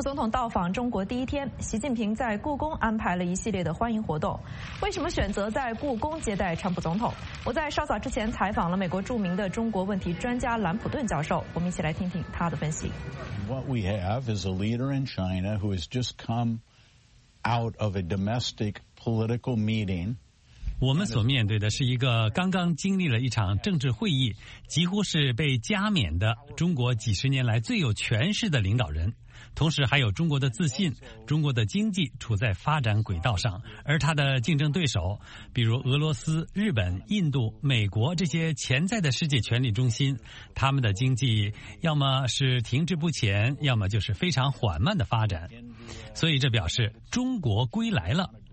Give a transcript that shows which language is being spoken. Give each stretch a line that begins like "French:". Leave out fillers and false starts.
Chinese: 到访中国第一天，习近平在故宫安排了一系列的欢迎活动。为什么选择在故宫接待川普总统？我在稍早之前采访了美国著名的中国问题专家兰普顿教授，我们一起来听听他的分析。
English: What we have is a leader in China who has just come out of a domestic political meeting.
Chinese: 我们所面对的是一个刚刚经历了一场政治会议，几乎是被加冕的中国几十年来最有权势的领导人，同时还有中国的自信，中国的经济处在发展轨道上，而他的竞争对手，比如俄罗斯、日本、印度、美国这些潜在的世界权力中心，他们的经济要么是停滞不前，要么就是非常缓慢的发展，所以这表示中国归来了。